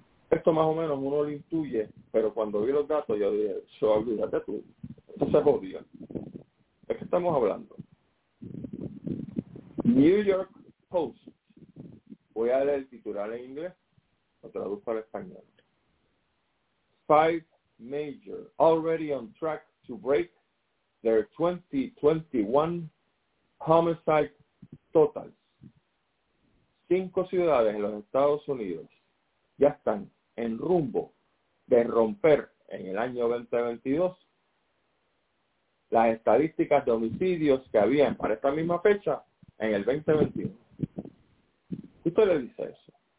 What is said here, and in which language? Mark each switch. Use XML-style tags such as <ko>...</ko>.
<es>Esto más o menos uno lo intuye, pero cuando vi los datos yo dije, olvídate tú, esto se jodió. ¿De qué estamos hablando? New York Post. Voy a leer el titular en inglés, lo traduzco al español.</es> <en>Five major already on track to break their 2021 homicide totals.</en> <es>5 ciudades en los Estados Unidos ya están en rumbo de romper en el año 2022 las estadísticas de homicidios que habían para esta misma fecha en el 2021. ¿Y usted le dice eso?</es>